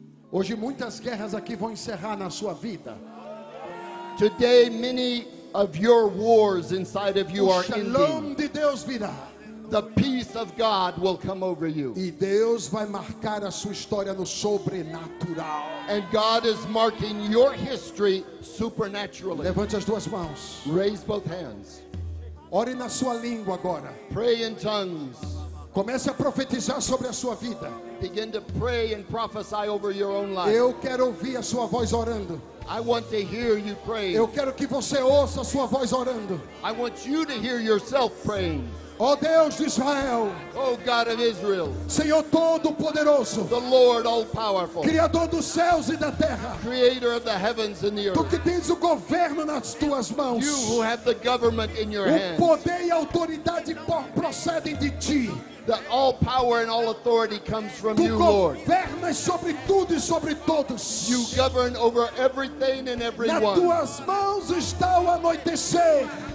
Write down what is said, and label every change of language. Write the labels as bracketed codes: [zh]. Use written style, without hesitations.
[pt] Hoje muitas guerras aqui vão encerrar na sua vida. [en] Today many of your wars inside of you are ending. [pt] Shalom de Deus virá. [en] The peace of God will come over you. [pt] E Deus vai marcar a sua história no sobrenatural. [en] And God is marking your history supernaturally. [pt] Levante as duas mãos. [en] Raise both hands. [pt] Ore na sua língua agora. [en] Pray in tongues. [pt] Comece a profetizar sobre a sua vida. [en] Begin to pray and prophesy over your own life. [pt] Eu quero ouvir a sua voz orando. [en] I want to hear you pray. [pt] Eu quero que você ouça a sua voz orando. [en] I want you to hear yourself praying. [pt] Ó Deus de Israel. [en] Oh God of Israel. [pt] Senhor Todo-Poderoso. [en] The Lord All-Powerful. [pt] Criador dos céus e da terra. [en] Creator of the heavens and the earth. [pt] Tu que tens o governo nas tuas mãos. [en] You who have the government in your hands. [pt] O poder e a autoridade procedem de ti. [en] That all power and all authority comes from [pt] tu [en] you, Lord. [pt] Tu governas sobre tudo e sobre todos. [en] You govern over everything and everyone. [pt] Nas tuas mãos está o anoitecer.